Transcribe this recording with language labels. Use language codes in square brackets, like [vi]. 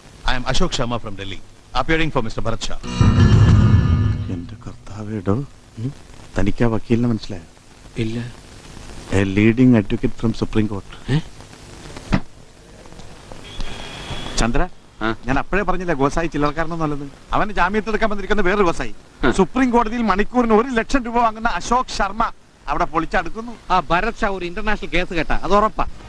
[en] I am Ashok Sharma from Delhi, appearing for Mr. Bharat Shah. [ml] എന്റെ കർത്താവേടോ, തനിക്ക് ആ വക്കീലിനെ മനസ്സിലായോ? ഇല്ല. [en] A leading advocate from Supreme Court. [ml] Chandra, ഞാൻ അപ്പോഴേ പറഞ്ഞില്ലേ ഗോസായി ചില്ലറക്കാരനെന്നുള്ളത്? അവന് ജാമ്യത്തെടുക്കാൻ വന്നിരിക്കുന്ന വേറൊരു ഗോസായി. സുപ്രീം കോടതിയിൽ മണിക്കൂറിന് 100,000 രൂപ വാങ്ങുന്ന അശോക് ശർമ്മ അവിടെ പൊളിച്ചടുക്കുന്നു. ആ ഭരത് ഷാ ഒരു ഇന്റർനാഷണൽ കേസ് കേട്ടാ, അത് ഉറപ്പാ.